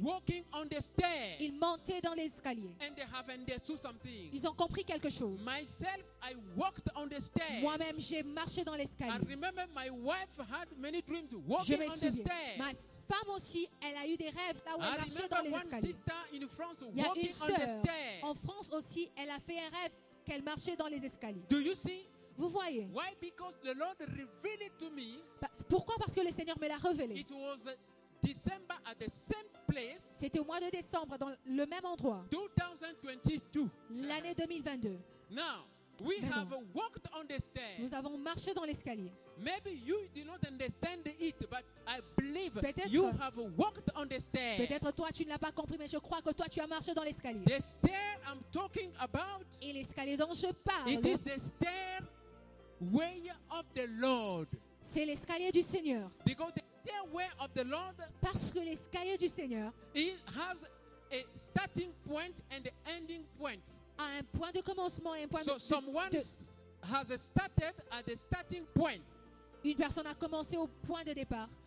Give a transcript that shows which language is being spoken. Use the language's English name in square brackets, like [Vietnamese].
[English] Walking on the stair, [French] ils montaient dans l'escalier. [English] And they have understood something. [French] Ils ont compris quelque chose. [English] Myself, I walked on the stairs. [French] Moi-même, j'ai marché dans l'escalier. [English] I remember my wife had many dreams walking on the stairs. [French] Je me souviens. Ma femme aussi, elle a eu des rêves là où elle marchait dans l'escalier. [English] I remember one sister in France walking on the stairs. [French] En France aussi, elle a fait un rêve qu'elle marchait dans les escaliers. [English] Do you see? [French] Vous voyez? [English] Why? Because the Lord revealed it to me. [French] Pourquoi? Parce que le Seigneur me l'a révélé. [English] It was December at the same place. [French] C'était au mois de décembre dans le même endroit. [English] 2022. [French] L'année 2022. [English] Now, we have walked on the stairs. [French] Nous avons marché dans l'escalier. [English] Maybe you did not understand it, but I believe you have walked on the stairs. [French] Peut-être toi tu ne l'as pas compris, mais je crois que toi tu as marché dans l'escalier. [English] The stair I'm talking about. [French] Et l'escalier dont je parle. [English] It is the stair way of the Lord. [French] C'est l'escalier du Seigneur. [English] Because the stairway of the Lord. [French] Parce que l'escalier du Seigneur. [English] It has a starting point and an ending point. [French] À un point de commencement et un point [English] so [French] de [English] someone has started at the starting point. [French] Une personne a commencé au point de départ.